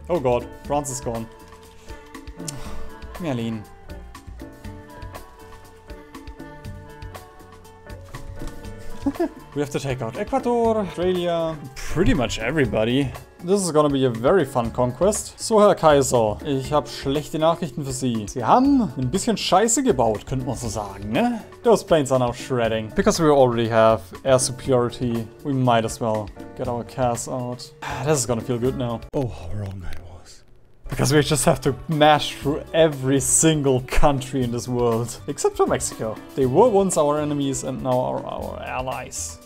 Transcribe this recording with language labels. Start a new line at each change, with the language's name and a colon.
English: Oh god, France is gone. Merlin. We have to take out Ecuador, Australia, pretty much everybody. This is gonna be a very fun conquest.
German: So, Herr Kaiser, ich habe schlechte Nachrichten für Sie. Sie haben ein bisschen Scheiße gebaut, könnte man so sagen, ne?
English: Those planes are now shredding. Because we already have air superiority, we might as well get our CAS out. This is gonna feel good now. Oh, how wrong I was. Because we just have to mash through every single country in this world. Except for Mexico. They were once our enemies and now are our allies.